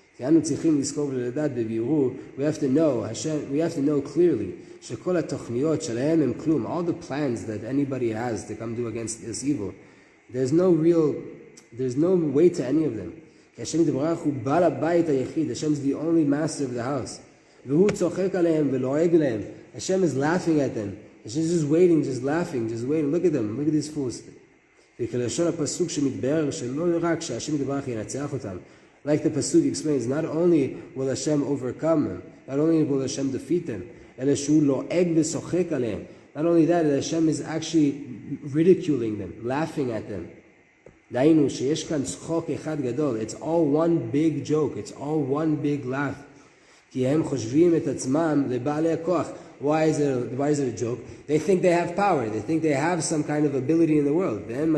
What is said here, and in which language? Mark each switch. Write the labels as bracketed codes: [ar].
[en] We have to know, Hashem, we have to know clearly, all the plans that anybody has to come do against this evil, there's no way to any of them. Hashem is the only master of the house. Hashem is laughing at them. Hashem is just waiting, just laughing, just waiting. Look at them, look at these fools. [he] וכלשון הפסוק שמתברר שלא רק שהשם יתברך ינצח אותם. [en] Like the pasuk explains, not only will Hashem overcome them, not only will Hashem defeat them, [he] אלא שהוא לועג ושוחק עליהם. [en] Not only that, Hashem is actually ridiculing them, laughing at them. [he] דיינו שיש כאן צחוק אחד גדול. [en] It's all one big joke. It's all one big laugh. [he] כי הם חושבים את עצמם לבעלי הכוח. [en] Why is it a joke? They think they have power. They think they have some kind of ability in the world.